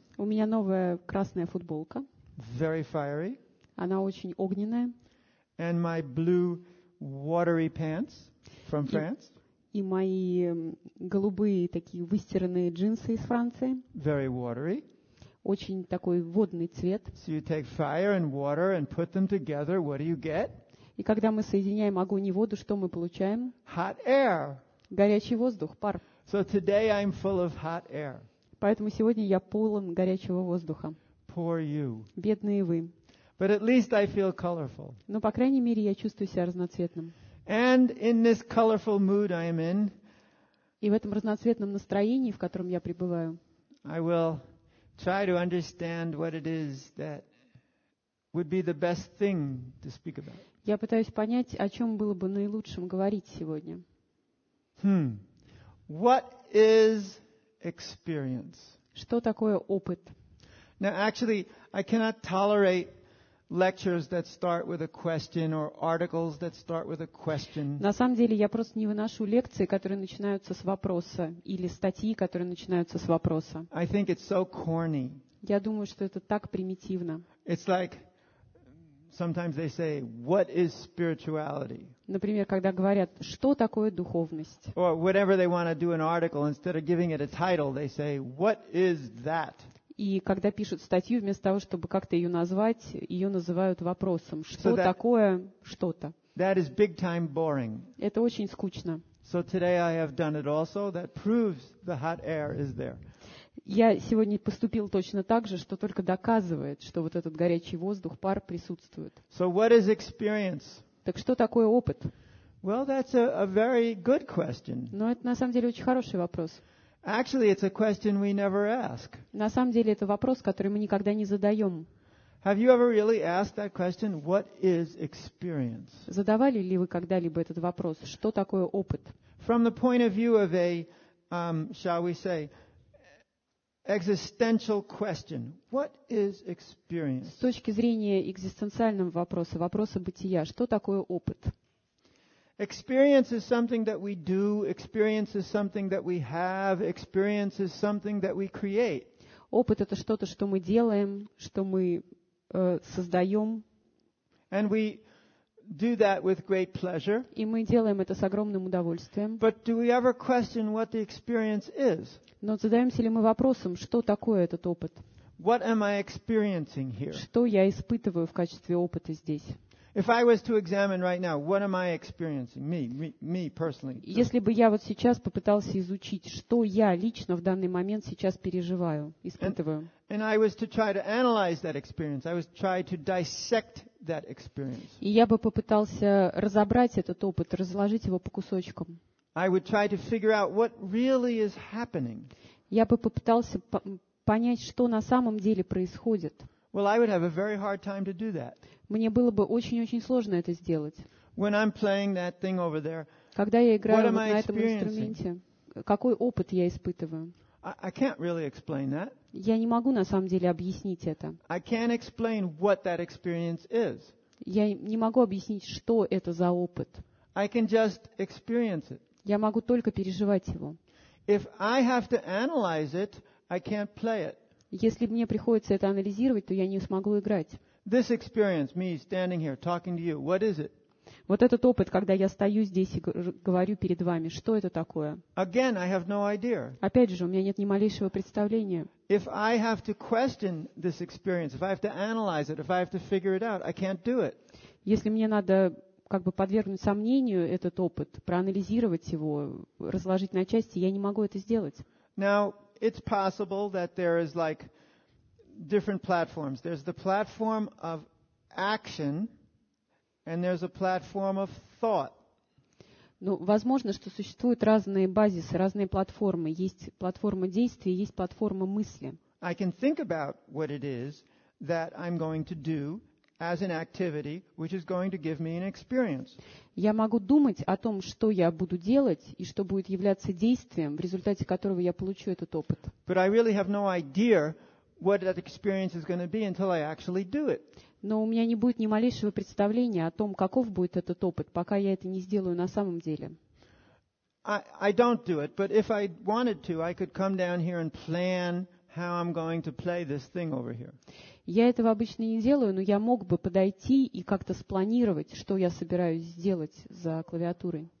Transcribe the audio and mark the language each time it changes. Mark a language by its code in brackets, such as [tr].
[ru] У меня новая красная футболка. [en] Very fiery. [ru] Она очень огненная. [en] And my blue watery pants from France. [ru] И мои голубые такие выстиранные джинсы из Франции. [en] Very watery. [ru] Очень такой водный цвет. [en] So you take fire and water and put them together, what do you get? [ru] И когда мы соединяем огонь и воду, что мы получаем? [en] Hot air. [ru] Горячий воздух, пар. [en] So today I'm full of hot air. [ru] Поэтому сегодня я полон горячего воздуха. [en] Poor you. [ru] Бедные вы. [en] But at least I feel colorful. [ru] Но по крайней мере я чувствую себя разноцветным. [en] And in this colorful mood I am in, [ru] и в этом разноцветном настроении, в котором я пребываю, [en] I will try to understand what it is that would be the best thing to speak about. [ru] Я пытаюсь понять, о чем было бы наилучшим говорить сегодня. [en] What is experience? [ru] Что такое опыт? [en] Now, actually, I cannot tolerate lectures that start with a question or articles that start with a question. [ru] На самом деле, я просто не выношу лекции, которые начинаются с вопроса, или статьи, которые начинаются с вопроса. [en] I think it's so corny. [ru] Я думаю, что это так примитивно. [en] It's like sometimes they say, "What is spirituality?" [ru] Например, когда говорят, что такое духовность? [en] Or whatever they want to do an article, instead of giving it a title, they say, "What is that?" [ru] И когда пишут статью, вместо того, чтобы как-то ее назвать, ее называют вопросом, что такое что-то. [en] That is big time boring. [ru] Это очень скучно. [en] So today I have done it also. That proves the hot air is there. [ru] Я сегодня поступил точно так же, что только доказывает, что вот этот горячий воздух, пар присутствует. [en] So what is experience? [ru] Так что такое опыт? [en] Well, that's a very good question. [ru] Но это на самом деле очень хороший вопрос. [en] Actually, it's a question we never ask. [ru] На самом деле, это вопрос, который мы никогда не задаем. [en] Have you ever really asked that question, what is experience? [ru] Задавали ли вы когда-либо этот вопрос, что такое опыт? [en] From the point of view of a, shall we say, existential question, what is experience? [ru] С точки зрения экзистенциального вопроса, вопроса бытия, что такое опыт? [en] Experience is something that we do. Experience is something that we have. Experience is something that we create. [ru] Опыт — это что-то, что мы делаем, что мы создаем. [en] And we do that with great pleasure. [ru] И мы делаем это с огромным удовольствием. [en] But do we ever question what the experience is? [ru] Но задаемся ли мы вопросом, что такое этот опыт? [en] What am I experiencing here? [ru] Что я испытываю в качестве опыта здесь? [en] If I was to examine right now, what am I experiencing? Me personally. [ru] Если бы я вот сейчас попытался изучить, что я лично в данный момент сейчас переживаю, испытываю. [en] And I was to try to analyze that experience. I was to try to dissect that experience. [ru] И я бы попытался разобрать этот опыт, разложить его по кусочкам. [en] I would try to figure out what really is happening. [ru] Я бы попытался понять, что на самом деле происходит. [en] Well, I would have a very hard time to do that. [ru] Мне было бы очень-очень сложно это сделать. [en] When I'm playing that thing over there, [ru] когда я играю вот на этом инструменте, какой опыт я испытываю? [en] I can't really explain that. [ru] Я не могу на самом деле объяснить это. [en] I can't explain what that experience is. [ru] Я не могу объяснить, что это за опыт. [en] I can just experience it. [ru] Я могу только переживать его. [en] If I have to analyze it, I can't play it. [ru] Если мне приходится это анализировать, то я не смогу играть. [en] This experience, me standing here, talking to you, what is it? [ru] Вот этот опыт, когда я стою здесь и говорю перед вами, что это такое? [en] Again, I have no idea. [ru] Опять же, у меня нет ни малейшего представления. [en] If I have to question this experience, if I have to analyze it, if I have to figure it out, I can't do it. [ru] Если мне надо как бы подвергнуть сомнению этот опыт, проанализировать его, разложить на части, я не могу это сделать. [en] Now, it's possible that there is like different platforms. There's the platform of action, and there's a platform of thought. [ru] Ну, возможно, что существуют разные базисы, разные платформы. Есть платформа действия, есть платформа мысли. [en] I can think about what it is that I'm going to do, as an activity which is going to give me an experience. [ru] Я могу думать о том, что я буду делать и что будет являться действием, в результате которого я получу этот опыт. [en] But I really have no idea what that experience is going to be until I actually do it. [ru] Но у меня не будет ни малейшего представления о том, каков будет этот опыт, пока я это не сделаю на самом деле. [en] I don't do it, but if I wanted to, I could come down here and plan how I'm going to play this thing over here. [ru] Я этого обычно не делаю, но я мог бы подойти и как-то спланировать, что я собираюсь сделать за клавиатурой.